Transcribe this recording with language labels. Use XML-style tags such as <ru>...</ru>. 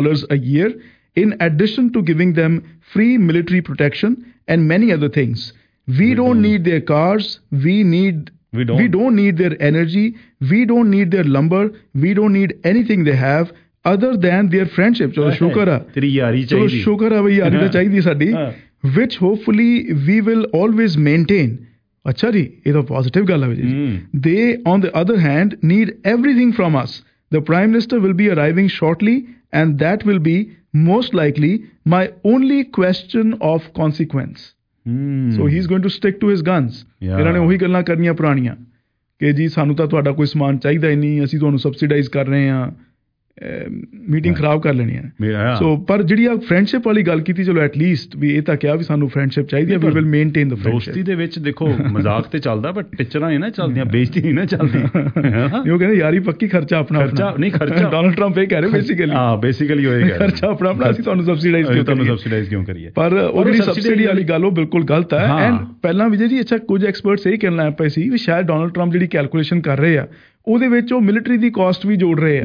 <en>a year in addition to giving them free military protection and many other things we don't need their cars, we don't need their energy we don't need their lumber we don't need anything they have other than their friendship so shukra</en> <pa>teri yaari chahiye so shukra bhai yaari ta chahiye saadi</pa> <en>which hopefully we will always maintain</en> <pa>acha ji eh to positive gall hai ji</pa> <en>they on the other hand need everything from us the prime minister will be arriving shortly and that will be most likely my only question of consequence so he's going to stick to his guns</en> <pa>ਇਹਨਾਂ ਨੇ ਉਹੀ ਗੱਲਾਂ ਕਰਨੀਆਂ ਪੁਰਾਣੀਆਂ ਕਿ ਜੀ ਸਾਨੂੰ ਤਾਂ ਤੁਹਾਡਾ ਕੋਈ ਸਮਾਨ ਚਾਹੀਦਾ ਹੀ ਨਹੀਂ ਅਸੀਂ ਤੁਹਾਨੂੰ ਸਬਸਿਡਾਈਜ਼ ਕਰ ਰਹੇ ਹਾਂ ਮੀਟਿੰਗ ਖਰਾਬ ਕਰ ਲੈਣੀ ਹੈ ਸੋ ਪਰ ਜਿਹੜੀ ਆ ਫਰੈਂਡਸ਼ਿਪ ਵਾਲੀ ਗੱਲ ਕੀਤੀ ਚਲੋ ਐਟਲੀਸਟ ਵੀ ਇਹ ਤਾਂ ਕਿਹਾ ਵੀ ਸਾਨੂੰ ਫਰੈਂਡਸ਼ਿਪ ਚਾਹੀਦੀ ਹੈ</pa> <en>we will maintain the friendship</en> <pa>ਦੋਸਤੀ ਦੇ ਵਿੱਚ ਦੇਖੋ ਮਜ਼ਾਕ ਤੇ ਚੱਲਦਾ ਬਟ ਪਿਕਚਰਾਂ ਇਹ ਨਾ ਚੱਲਦੀਆਂ ਬੇਇੱਜ਼ਤੀ ਨਹੀਂ ਨਾ ਚੱਲਦੀ ਉਹ ਕਹਿੰਦੇ ਯਾਰੀ ਪੱਕੀ ਖਰਚਾ ਆਪਣਾ ਖਰਚਾ ਨਹੀਂ ਖਰਚਾ ਡੋਨਲਡ ਟਰੰਪ ਇਹ ਕਹਿ ਰਹੇ ਬੇਸਿਕਲੀ ਹਾਂ ਬੇਸਿਕਲੀ ਉਹ ਇਹ ਖਰਚਾ ਆਪਣਾ ਆਪਣਾ ਅਸੀਂ ਤੁਹਾਨੂੰ ਸਬਸਿਡਾਈਜ਼ ਕਿਉਂ ਤੁਹਾਨੂੰ ਸਬਸਿਡਾਈਜ਼ ਕਿਉਂ ਕਰੀਏ ਪਰ ਉਹ ਜਿਹੜੀ ਸਬਸਿਡੀ ਵਾਲੀ ਗੱਲ ਉਹ ਬਿਲਕੁਲ ਗਲਤ ਹੈ ਐਂਡ ਪਹਿਲਾਂ ਵੀ ਜਿਹੜੀ ਅੱਛਾ ਕੁਝ ਐਕਸਪਰਟਸ ਇਹ ਕਹਿਣ ਲੱਗ ਪਏ ਸੀ ਵੀ ਸ਼ਾਇਦ ਡੋਨਲਡ ਟਰੰਪ ਜਿਹੜੀ ਕੈਲਕੂਲੇਸ਼ਨ ਕਰ ਰਹੇ ਆ ਉਹਦੇ ਵਿੱਚ ਉਹ ਮਿਲਟਰੀ ਦੀ ਕਾਸਟ ਵੀ ਜੋੜ ਰਹੇ ਆ</pa>